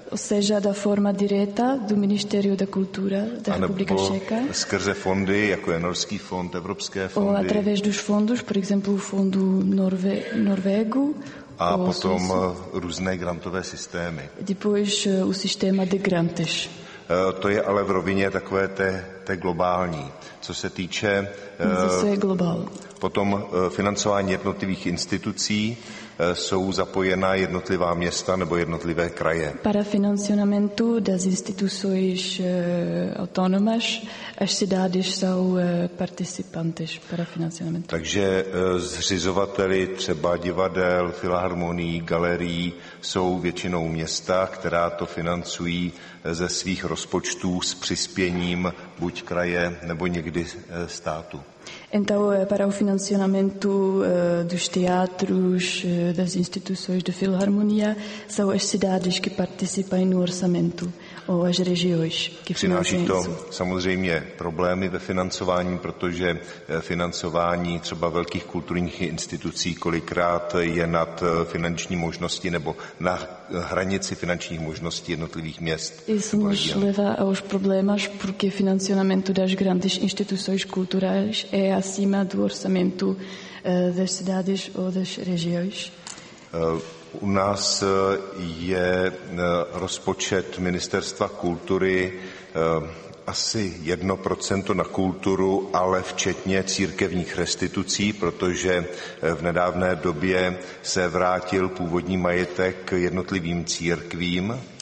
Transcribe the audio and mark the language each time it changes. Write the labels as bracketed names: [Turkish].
[Portuguese] ou seja, da forma direta do Ministério da Cultura da República Checa. [Czech] Skrze fondy, jako je Norský fond, Evropské fondy. [Portuguese] Ou através dos fundos, por exemplo, o fundo Norvego. [Czech] A potom různé grantové systémy. [Portuguese] Depois o sistema de grantes. [Czech] To je ale v rovině takové té globální. Co se týče... Zase je globál. Potom financování jednotlivých institucí, jsou zapojena jednotlivá města nebo jednotlivé kraje. [Portuguese] Para financiamento das instituições autónomas, as cidades são participantes para financiamento. [Czech] Takže zřizovateli třeba divadel, filharmonií, galerií jsou většinou města, která to financují ze svých rozpočtů s přispěním buď kraje nebo někdy státu. [Portuguese] Então, para o financiamento dos teatros, das instituições de filharmonia, são as cidades que participam no orçamento, ou as regiões que financiam isso. [Czech] Přináší to samozřejmě problémy ve financování, protože financování třeba velkých kulturních institucí kolikrát je nad finanční možnosti nebo na hranici finančních možností jednotlivých měst. [Portuguese] Isso nos leva aos problemas, porque financiamento das grandes instituições culturais é acima do orçamento das cidades ou das regiões. [Czech] U nás je rozpočet Ministerstva kultury asi 1% na kulturu, ale včetně církevních restitucí, protože v nedávné době se vrátil původní majetek jednotlivým církvím.